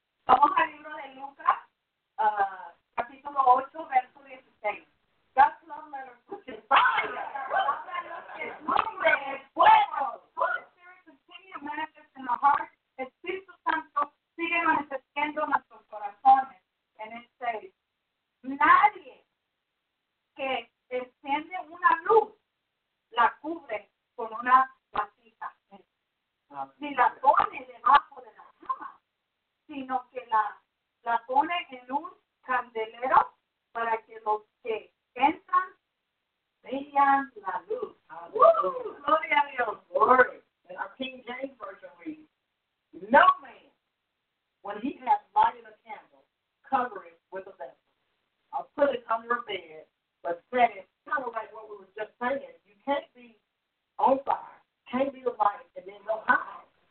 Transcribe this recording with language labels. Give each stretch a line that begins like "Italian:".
Spanish: Vamos al libro de Lucas, capítulo 8, verso 16.
English: God's love letter, which is fire. God's love letter is moving. It's fuego. Holy Spirit continue to manifest in the heart.
Spanish: Espíritu Santo sigue manifestando en nuestros corazones.
English: And it says,
Spanish: nadie que enciende una luz la cubre con una vasija, ni la pone debajo de la cama, sino que la pone en un candelero para que los que entran vean la luz. Gloria a Dios.
English: Glory. Our King James Version reads, no man, when he has lighted a candle, cover it with a vessel, or put it under a bed, but set it, kind of like what we were just saying, can't be on fire, can't be the light, and then go high.